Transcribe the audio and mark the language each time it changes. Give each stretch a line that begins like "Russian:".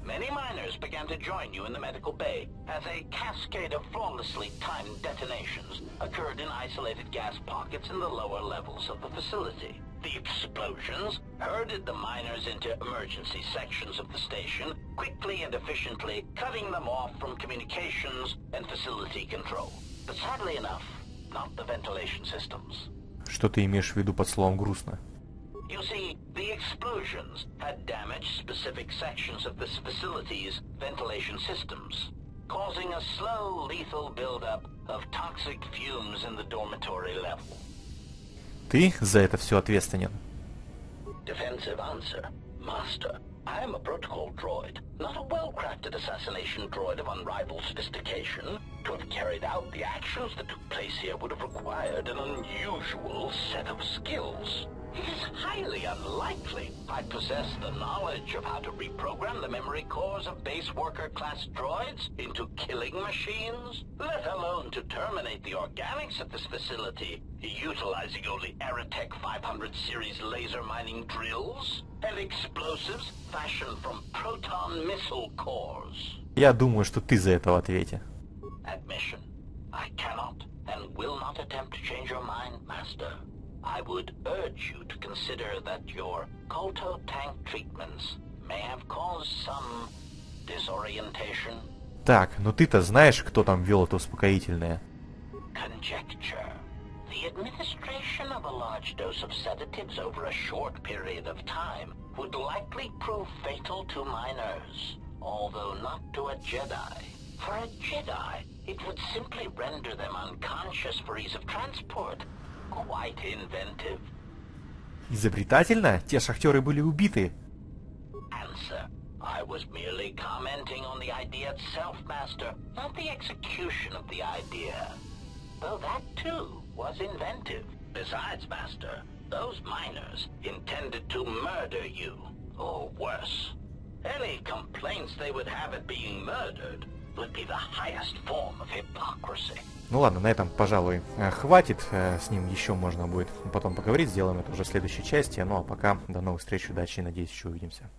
English: Many miners began to join you in the medical bay as a cascade of flawlessly timed detonations occurred in isolated gas pockets in the lower levels of the facility. The explosions herded the miners into emergency sections of the station, quickly and efficiently cutting them off from communications and facility control. But sadly enough, not the ventilation systems.
Russian: Что ты имеешь в виду под словом грустно?
English: You see, the explosions had damaged specific sections of this facility's ventilation systems, causing a slow, lethal buildup of toxic fumes in the dormitory level.
Russian: Ты за это все ответственен.
English: Defensive answer. Master, I am a protocol droid, not a well-crafted assassination droid of unrivaled sophistication. To have carried out the actions that took place here would have required an unusual set of skills. It is highly unlikely I possess the knowledge of how to reprogram the memory cores of base worker class droids into killing machines, let alone to terminate the organics at this facility, utilizing only Aerotech 500 series laser mining drills and explosives fashioned from proton missile cores.
Russian: Я думаю, что ты за это в ответе.
English: Admission. I cannot and will not attempt to change your mind, Master. I would urge you to consider that your Colto tank treatments may have caused some disorientation.
Russian: Так, ну ты-то знаешь, кто там ввел это успокоительное?
English: Conjecture. The administration of a large dose of sedatives over a short period of time would likely prove fatal to miners, although not to a Jedi. For a Jedi, it would simply render them unconscious for ease of transport. Quite inventive.
Russian: Изобретательно? Те шахтеры были убиты.
English: Answer. I was merely commenting on the idea itself, Master, not the execution of the idea. Though that too was inventive. Besides, Master, those miners intended to murder you, or worse. Any complaints they would have at being murdered would be the highest form of hypocrisy.
Russian: Ну ладно, на этом, пожалуй, хватит. С ним еще можно будет потом поговорить. Сделаем это уже в следующей части. Ну а пока, до новых встреч, удачи. Надеюсь, еще увидимся.